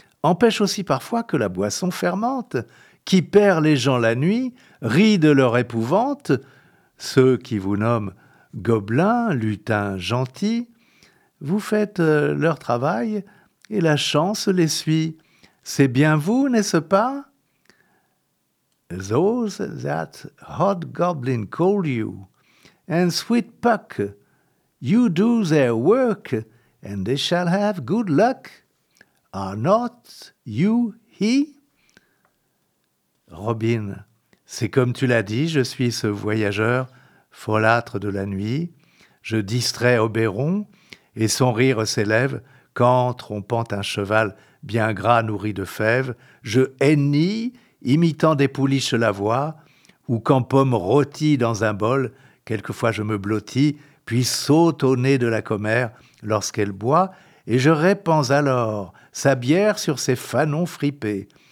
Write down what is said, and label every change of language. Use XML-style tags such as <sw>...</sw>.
<fr>empêche aussi parfois que la boisson fermente, qui perd les gens la nuit, rit de leur épouvante, ceux qui vous nomment gobelins, lutins, gentils, vous faites leur travail et la chance les suit. C'est bien vous, n'est-ce pas?</fr> <en>Those that hot goblin call you, and sweet puck, you do their work, and they shall have good luck. Are not you he?</en> <fr>Robin, c'est comme tu l'as dit, je suis ce voyageur, folâtre de la nuit. Je distrais Oberon, et son rire s'élève, quand, trompant un cheval bien gras nourri de fèves, je hennis, imitant des pouliches la voix, ou quand pomme rôtie dans un bol, quelquefois je me blottis, puis saute au nez de la commère lorsqu'elle boit, et je répands alors sa bière sur ses fanons fripés.</fr>